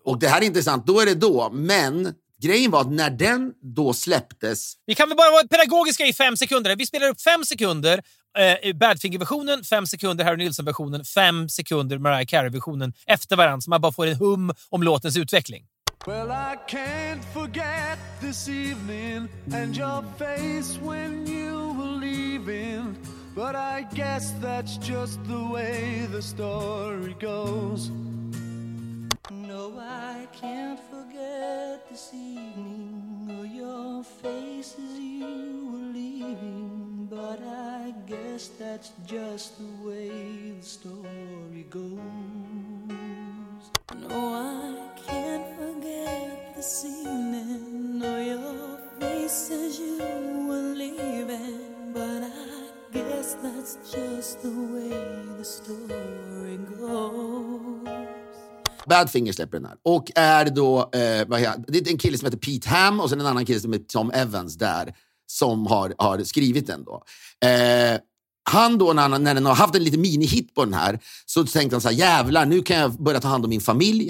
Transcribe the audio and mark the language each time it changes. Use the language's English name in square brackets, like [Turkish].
[Swedish] Och det här är intressant, då är det då. Men grejen var att när den då släpptes, vi kan väl bara vara pedagogiska i 5 sekunder. Vi spelar upp 5 sekunder Badfinger-versionen, 5 sekunder Harry Nilsson-versionen, 5 sekunder Mariah Carey-versionen efter varandra, så man bara får en hum om låtens utveckling. [English] Well, I can't forget this evening and your face when you were leaving. But I guess that's just the way the story goes. No, I can't forget this evening or your face as you were leaving. But I guess that's just the way the story goes. No, I can't forget this evening or your face as you were leaving. But I guess that's just the way the story goes. [Swedish] Badfinger släpper den här. Och är då, det är en kille som heter Pete Ham och sen en annan kille som heter Tom Evans där, som har skrivit den då. Han då, när han har haft en liten mini-hit på den här, så tänkte han så här: jävlar, nu kan jag börja ta hand om min familj.